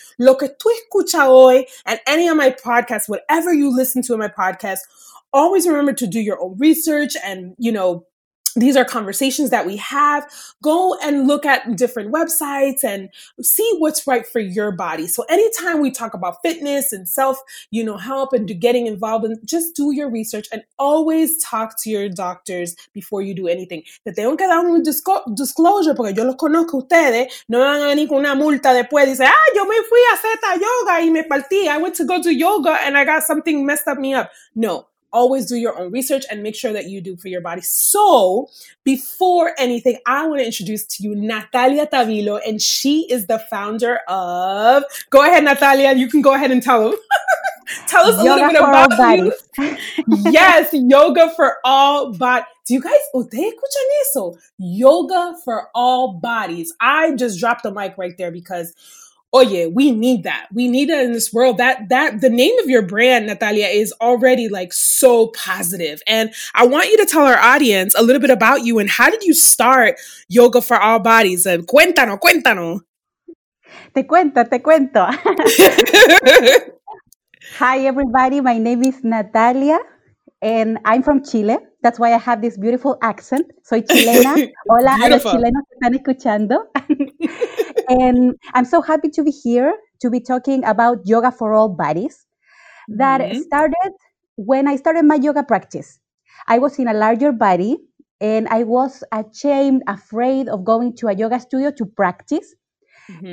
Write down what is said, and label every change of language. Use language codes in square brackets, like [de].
[es] Lo que tú escuchas hoy [en] and any of my podcasts, whatever you listen to in my podcast, always remember to do your own research and, you know, these are conversations that we have. Go and look at different websites and see what's right for your body. So anytime we talk about fitness and self, you know, help and getting involved, and just do your research and always talk to your doctors before you do anything. [es] Te tengo que dar un disclosure porque yo los conozco a ustedes. No me van a venir con una multa después. Dice, ah, yo me fui a hacer esta yoga y me partí. [en] I went to go do yoga and I got something messed up me up. No. Always do your own research and make sure that you do for your body. So before anything, I want to introduce to you Natalia Tavilo, and she is the founder of, go ahead, Natalia, you can go ahead and tell them. Tell us yoga a little bit about you. Yes, yoga for all bodies. Do you guys, [es] ustedes escuchan eso? [en] Yoga for all bodies. I just dropped the mic right there because, oye, we need that. We need that in this world. That the name of your brand, Natalia, is already like so positive. And I want you to tell our audience a little bit about you and how did you start Yoga for All Bodies? [es] And cuéntanos, cuéntanos. Te cuento. [en] Hi, everybody. My name is Natalia and I'm from Chile. That's why I have this beautiful accent. [es] Soy chilena. Hola a los chilenos que están escuchando. [en] And I'm so happy to be here to be talking about yoga for all bodies that mm-hmm. started when I started my yoga practice. I was in a larger body and I was ashamed, afraid of going to a yoga studio to practice. Mm-hmm.